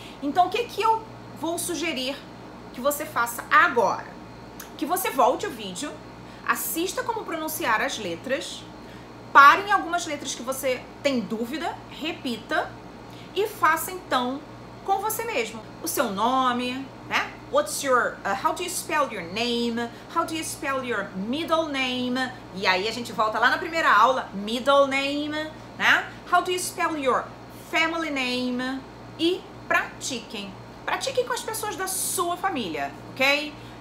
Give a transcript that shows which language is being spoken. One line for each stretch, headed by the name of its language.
Portuguese: Então, o que que eu vou sugerir que você faça agora? Que você volte o vídeo, assista como pronunciar as letras, pare em algumas letras que você tem dúvida, repita e faça então com você mesmo. O seu nome, né?
English: What's your, how do you spell your name? How do you spell your middle name?
Portuguese: E aí a gente volta lá na primeira aula, middle name, né?
English: How do you spell your family name?
Portuguese: E pratiquem. Pratiquem com as pessoas da sua família, ok?